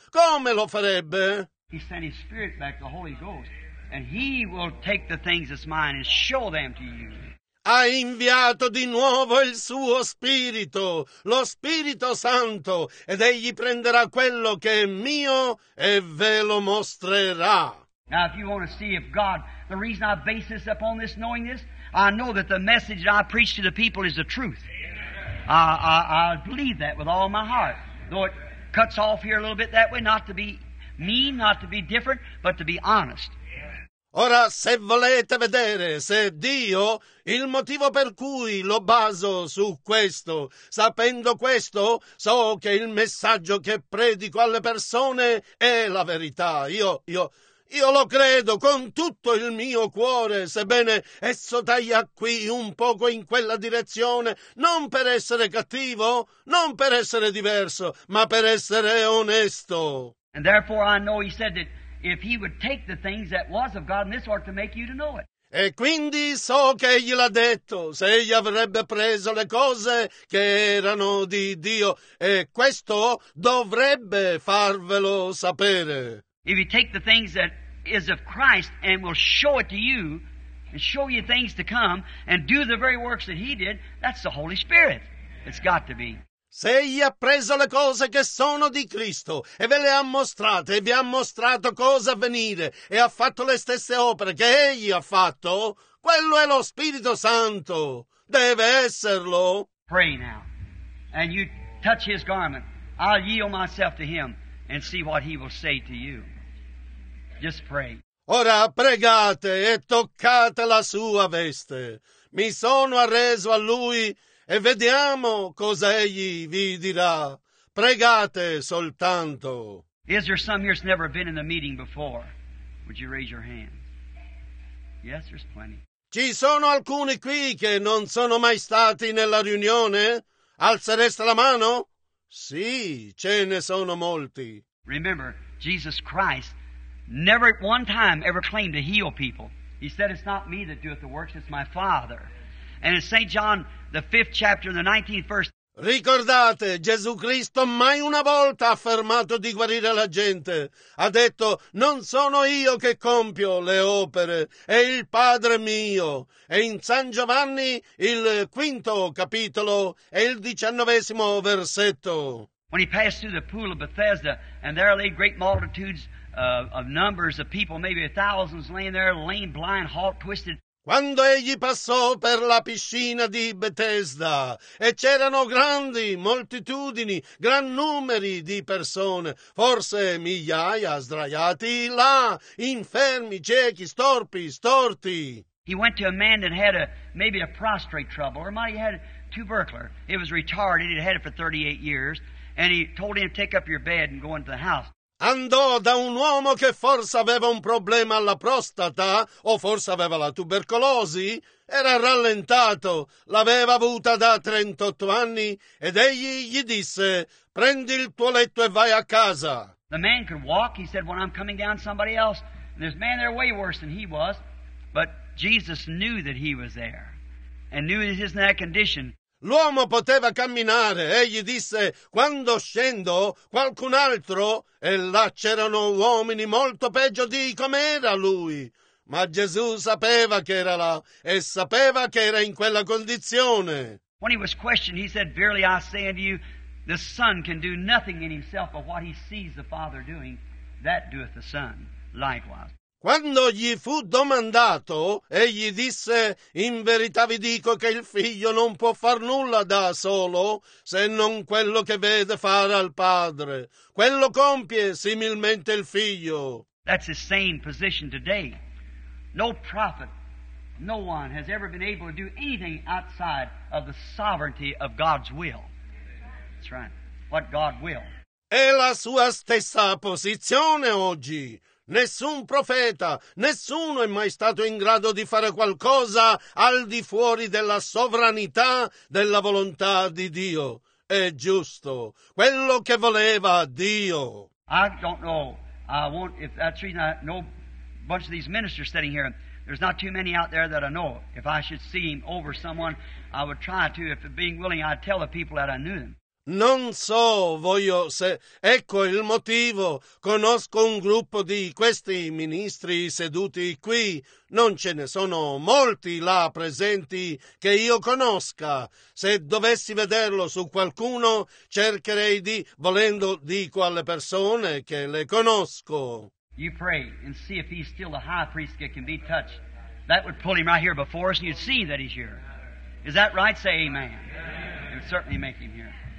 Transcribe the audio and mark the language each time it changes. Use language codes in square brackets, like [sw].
[it] Come lo farebbe? [en] He sent his spirit back, the Holy Ghost. And he will take the things that's mine and show them to you. [it] Ha inviato di nuovo il suo spirito, lo Spirito Santo, ed egli prenderà quello che è mio e ve lo mostrerà. [en] Now if you want to see if God, the reason I base this upon this, knowing this, I know that the message that I preach to the people is the truth. I believe that with all my heart. Though it cuts off here a little bit that way, not to be mean, not to be different, but to be honest. [it] Ora, se volete vedere se Dio, il motivo per cui lo baso su questo, sapendo questo, so che il messaggio che predico alle persone è la verità. Io, io, Io lo credo con tutto il mio cuore, sebbene esso taglia qui un poco in quella direzione, non per essere cattivo, non per essere diverso, ma per essere onesto. [en] And therefore I know he said that if he would take the things that was of God in this heart to make you to know it. [it] E quindi so che egli l'ha detto, se egli avrebbe preso le cose che erano di Dio, e questo dovrebbe farvelo sapere. [en] If you take the things that is of Christ and will show it to you, and show you things to come, and do the very works that he did, that's the Holy Spirit. It's got to be. [it] Se egli ha preso le cose che sono di Cristo e ve le ha mostrate e vi ha mostrato cosa avvenire e ha fatto le stesse opere che egli ha fatto, quello è lo Spirito Santo. Deve esserlo. [en] Pray now. And you touch his garment. I'll yield myself to him and see what he will say to you. Just pray. [it] Ora pregate e toccate la sua veste. Mi sono arreso a lui. E vediamo cosa egli vi dirà. Pregate soltanto. [en] Is there some here that's never been in the meeting before? Would you raise your hand? Yes, there's plenty. [it] Ci sono alcuni qui che non sono mai stati nella riunione? Alzereste la mano? Sì, ce ne sono molti. [en] Remember, Jesus Christ never at one time ever claimed to heal people. He said, it's not me that doeth the works, it's my Father. And in St. John, the 5th chapter, the 19th verse. [it] Ricordate, Gesù Cristo mai una volta ha affermato di guarire la gente. Ha detto, non sono io che compio le opere, è il Padre mio. E in San Giovanni, il 5th capitolo e il 19th versetto. [en] When he passed through the pool of Bethesda, and there lay great multitudes of numbers of people, maybe thousands laying there, lame, blind, halt, twisted. [it] Quando egli passò per la piscina di Betesda e c'erano grandi moltitudini, gran numeri di persone, forse migliaia sdraiati là, infermi, ciechi, storpi, storti. [en] He went to a man that had maybe a prostrate trouble, or might he had tubercular. It was retarded, he'd had it for 38 years, and he told him to take up your bed and go into the house. [it] Andò da un uomo che forse aveva un problema alla prostata o forse aveva la tubercolosi. Era rallentato, l'aveva avuta da 38 anni ed egli gli disse, prendi il tuo letto e vai a casa. [en] The man could walk, he said, when I'm coming down somebody else. And there's man there way worse than he was, but Jesus knew that he was there and knew his in that condition. [it] L'uomo poteva camminare, egli disse, quando scendo, qualcun altro, e là c'erano uomini molto peggio di com'era lui. Ma Gesù sapeva che era là, e sapeva che era in quella condizione. [en] When he was questioned, he said, verily I say unto you, the Son can do nothing in himself but what he sees the Father doing, that doeth the Son likewise. [it] Quando gli fu domandato, egli disse, in verità vi dico che il figlio non può far nulla da solo, se non quello che vede fare al padre. Quello compie similmente il figlio. [en] That's the same position today. No prophet, no one has ever been able to do anything outside of the sovereignty of God's will. That's right. What God will. [it] È la sua stessa posizione oggi. Nessun profeta, nessuno è mai stato in grado di fare qualcosa al di fuori della sovranità della volontà di Dio. È giusto. Quello che voleva Dio. [en] I don't know. I won't, if that's reason I know a bunch of these ministers sitting here. There's not too many out there that I know. If I should see him over someone, I would try to. If being willing, I'd tell the people that I knew him. [it] Non so, voglio se... Ecco il motivo. Conosco un gruppo di questi ministri seduti qui. Non ce ne sono molti là presenti che io conosca. Se dovessi vederlo su qualcuno, cercherei di, volendo, dico alle persone che le conosco. [en] You pray and see if he's still the high priest that can be touched. That would pull him right here before us and you'd see that he's here. Is that right? Say amen. It would certainly make him here.